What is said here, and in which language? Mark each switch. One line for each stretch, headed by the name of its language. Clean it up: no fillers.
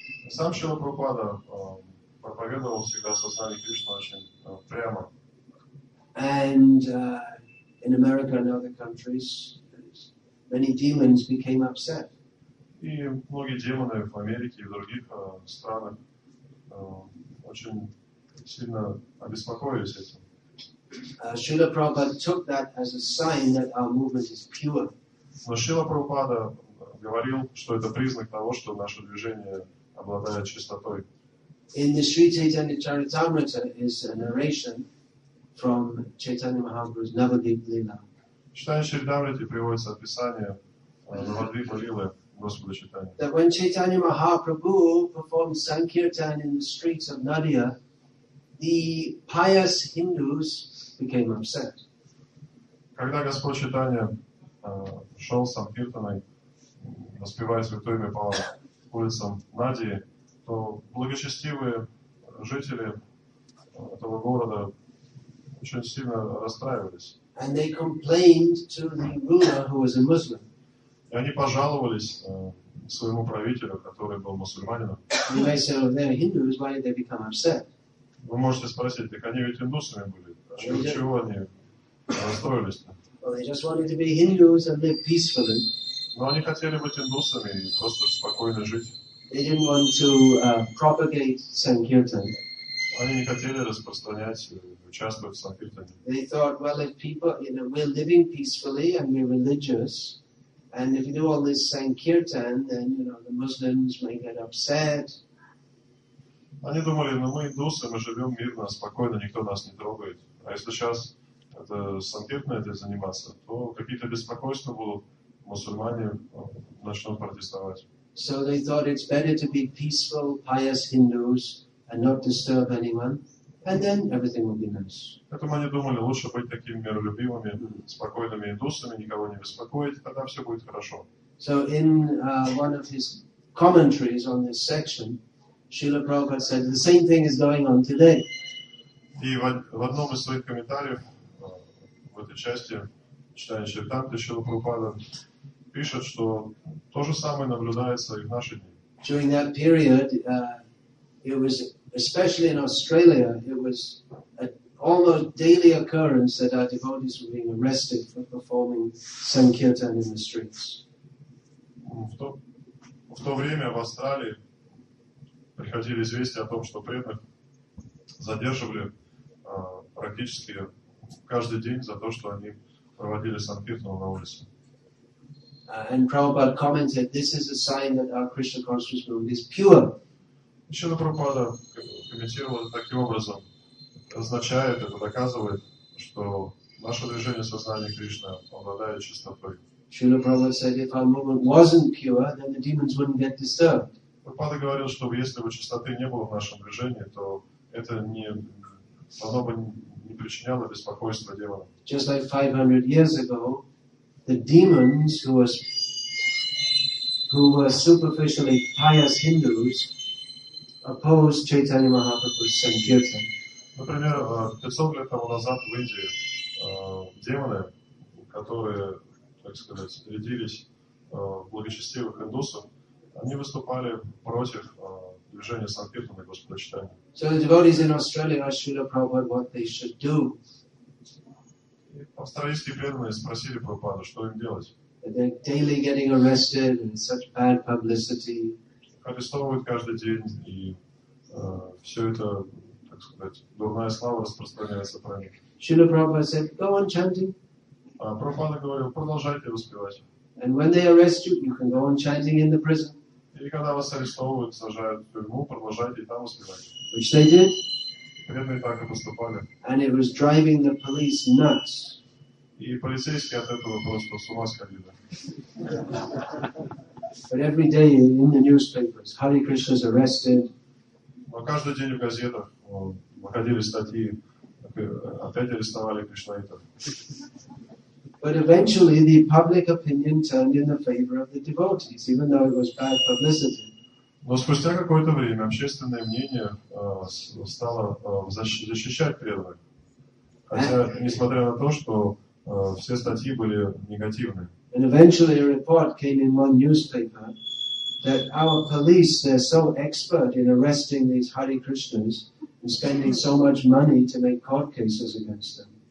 Russian: Сам Шрила Прабхупада проповедовал всегда сознание Кришны очень прямо.
English: And in America and other countries, many demons became upset.
Russian: И многие демоны в Америке и в других странах очень сильно обеспокоились этим.
English: Шрила Прабхупада took that as a sign that our movement is pure.
Russian: Но Шрила Прабхупада говорил, что это признак того, что наше движение обладает чистотой.
English: In the Sri Chaitanya Charitamrita is a narration from Chaitanya Mahaprabhu's Navadvipa Lila.
Russian: Читание Чайтанья приводится описание Навадвипа Лилы Господа Чайтанья.
English: That when Chaitanya Mahaprabhu performed Sankirtan in the streets of Nadia, the pious Hindus became upset.
Russian: Когда Господь Чайтанья шел с Санкиртаной, воспевая святое имя по улицам Нади, то благочестивые жители этого города очень сильно расстраивались.
English: And they complained to the ruler who was a Muslim.
Russian: И они пожаловались своему правителю, который был мусульманином.
English: You may say, oh, they're Hindus, why did they become upset?
Russian: Вы можете спросить, так они ведь индусами были. Чего они расстроились-то?
English: Well, they just wanted to be Hindus and live peacefully.
Russian: Но они хотели быть индусами и просто спокойно жить.
English: They didn't want to propagate Sankirtan.
Russian: Они не хотели распространять, участвовать в Санкиртане.
English: They thought, well, if people, you know, we're living peacefully and we're religious, and if we do all this Sankirtan, then, you know, the Muslims may get upset.
Russian: Они думали, ну мы индусы, мы живем мирно, спокойно, никто нас не трогает. А если сейчас это Санкиртана этим заниматься, то какие-то беспокойства будут, мусульмане начнут протестовать.
English: So they thought it's better to be peaceful, pious Hindus, and not disturb anyone, and then everything will be nice.
Russian: Поэтому они думали, лучше быть такими миролюбивыми, спокойными индусами, никого не беспокоить, тогда все будет хорошо.
English: So in one of his commentaries on this section, Srila Prabhupada said, the same thing is going on today.
Russian: И в одном из своих комментариев, в этой части, читая Чайтанью, Шрила Прабхупада пишет, что то же самое наблюдается и в наши дни.
English: During that period, it was, especially in Australia, it was an almost daily occurrence that our devotees were being arrested for performing Sankirtan in the streets.
Russian: В то время в Австралии приходили известия о том, что преданных задерживали практически каждый день за то, что они проводили Санкиртану на улице.
English: And Prabhupada commented, this is a sign that our Krishna consciousness movement is pure.
Russian: Шрила Прабхупада комментировал таким образом, означает, это доказывает, что наше движение сознания Кришны обладает чистотой.
English: Шрила Прабхупада said, if our movement wasn't pure, then the demons wouldn't get disturbed.
Russian: Прабхупада говорил, что если бы чистоты не было в нашем движении, то это не, оно бы не причиняло беспокойства демонам.
English: Just like 500 years ago, the demons who were superficially pious Hindus opposed Chaitanya Mahaprabhu's Sankirtan.
Russian: Например, 500 лет тому назад в Индии демоны, которые, так сказать, рядились благочестивых индусов, Они выступали против движения Санкиртана и Господа Читания.
English: So the devotees in Australia asked Śrīla Prabhupāda what they should do.
Russian: Австралийские преданные спросили Прабхупаду, что им делать.
English: They're daily getting arrested and such bad publicity.
Russian: Арестовывают каждый день, и все это, так сказать, дурная слава распространяется про них.
English: Śrīla Prabhupāda said, go on chanting.
Russian: Прабхупада говорил, продолжайте воспевать.
English: And when they arrest you, you can go on chanting in the prison.
Russian: И когда вас арестовывают, сажают в тюрьму, продолжайте и там воспевать.
English: Which they did.
Russian: Преданные так и поступали.
English: And it was driving the police nuts.
Russian: И полицейские от этого просто с ума сходили.
English: But every day in the newspapers, Hare Krishna is arrested.
Russian: Но каждый день в газетах выходили статьи, опять арестовали кришнаитов.
English: But eventually the public opinion turned in the favor of the devotees, even though it was bad publicity.
Russian: Но спустя какое-то время общественное мнение стало защищать преданных. Хотя, несмотря на то, что все статьи были негативны.
English: And eventually a report came in one newspaper that our police, they're so expert in arresting these Hare Krishnas and spending so much money to make court cases against them.